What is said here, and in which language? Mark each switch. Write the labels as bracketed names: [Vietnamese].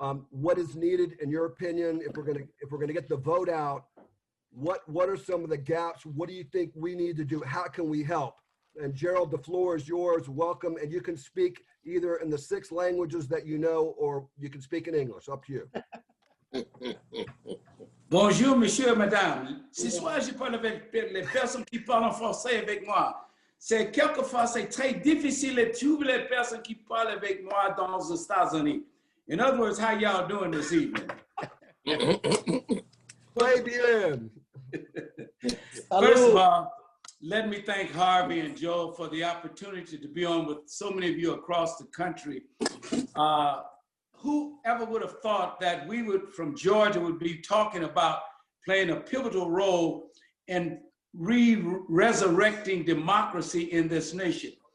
[English] What is needed, in your opinion, if we're going to get the vote out? What are some of the gaps? What do you think we need to do? How can we help? And Gerald, the floor is yours. Welcome, and you can speak either in the 6 languages that you know, or you can speak in English, up to you. [French] Bonjour, monsieur, madame. Ce soir, je parle avec les personnes qui parlent français avec moi. C'est quelquefois, c'est très difficile de trouver les personnes qui parlent avec moi dans les États-Unis. [English] In other words, how y'all doing this evening? [French] Très bien. [English] First of all, let me thank Harvey and Joe for the opportunity to be on with so many of you across the country. Who ever would have thought that we would, from Georgia, would be talking about playing a pivotal role in resurrecting democracy in this nation?